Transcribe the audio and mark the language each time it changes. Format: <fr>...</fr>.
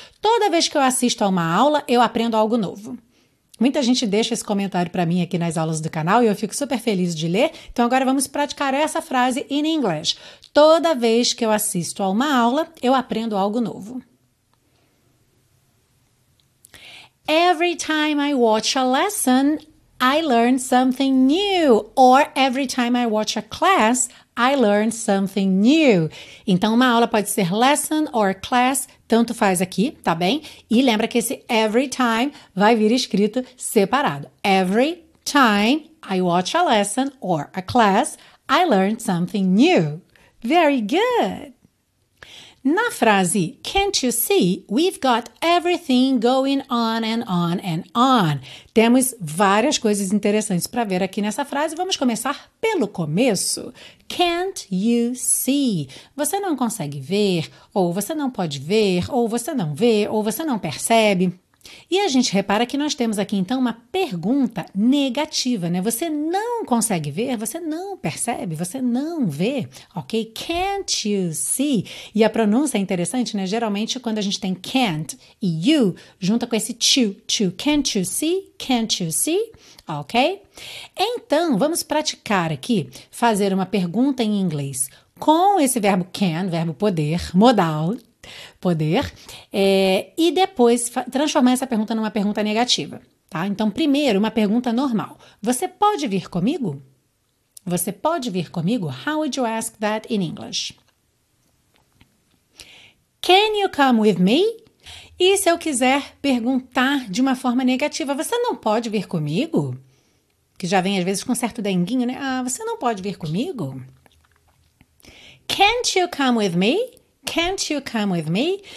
<pt>Toda vez que eu assisto a uma aula, eu aprendo algo novo. Muita gente deixa esse comentário para mim aqui nas aulas do canal e eu fico super feliz de ler. Então, agora vamos praticar essa frase</pt> <en>in English.</en> <pt>Toda vez que eu assisto a uma aula, eu aprendo algo novo.</pt> <en>Every time I watch a lesson, I learn something new. Or every time I watch a class, I learn something new.</en> <pt>Então, uma aula pode ser lesson or class, tanto faz aqui, tá bem? E lembra que esse every time vai vir escrito separado.</pt> <en>Every time I watch a lesson or a class, I learn something new. Very good!</en> <pt>Na frase,</pt> <en>can't you see, we've got everything going on and on and on.</en> <pt>Temos várias coisas interessantes para ver aqui nessa frase. Vamos começar pelo começo.</pt> <en>Can't you see?</en> <pt>Você não consegue ver, ou você não pode ver, ou você não vê, ou você não percebe. E a gente repara que nós temos aqui, então, uma pergunta negativa, né? Você não consegue ver, você não percebe, você não vê, ok?</pt> <en>Can't you see?</en> <pt>E a pronúncia é interessante, né? Geralmente, quando a gente tem can't e you, junta com esse to.</pt> <en>Can't you see? Can't you see?</en> <pt>Ok? Então, vamos praticar aqui, fazer uma pergunta em inglês com esse verbo can, verbo poder, modal. Poder, e depois transformar essa pergunta numa pergunta negativa, tá? Então, primeiro, uma pergunta normal. Você pode vir comigo? Você pode vir comigo?</pt> <en>How would you ask that in English? Can you come with me?</en> <pt>E se eu quiser perguntar de uma forma negativa, você não pode vir comigo? Que já vem às vezes com certo denguinho, né? Ah, você não pode vir comigo?</pt> <en>Can't you come with me? Can't you come with me?</en>